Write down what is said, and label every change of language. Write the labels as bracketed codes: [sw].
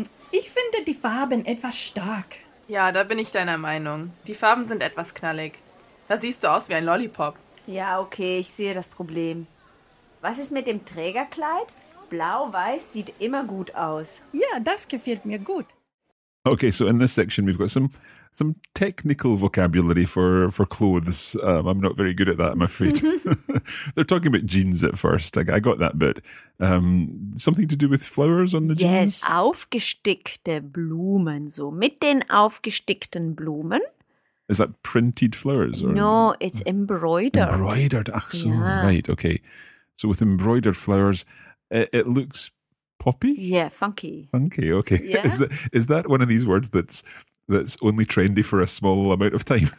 [de] Ich finde die Farben etwas stark. Ja, da bin ich deiner Meinung. Die Farben sind etwas knallig. Da siehst du aus wie ein Lollipop. Ja, okay, ich sehe das Problem. Was ist mit dem Trägerkleid? Blau-weiß sieht immer gut aus. Ja, das gefällt mir gut. [en] Okay, so in this section we've got some technical vocabulary for clothes. I'm not very good at that, I'm afraid. They're talking about jeans at first. I got that bit. Something to do with flowers on the jeans? [de] Yes, aufgestickte Blumen. So mit den aufgestickten Blumen. [en] Is that printed flowers? Or no, it's embroidered. Embroidered, [de] ach so, [en] right, okay. So with embroidered flowers, it looks poppy? Yeah, funky. Funky, okay. Yeah? Is that one of these words that's only trendy for a small amount of time?